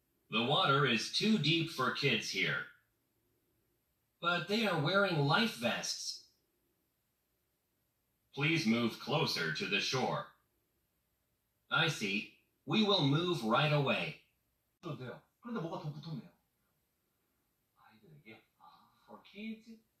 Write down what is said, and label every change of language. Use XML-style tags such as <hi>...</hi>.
<en>The water is too deep for kids here. But they are wearing life vests. Please move closer to the shore. I see. We will move right away.</en> <ko>그런데 뭐가 더 붙었네요. 아이들에게</ko> <en>for kids</en>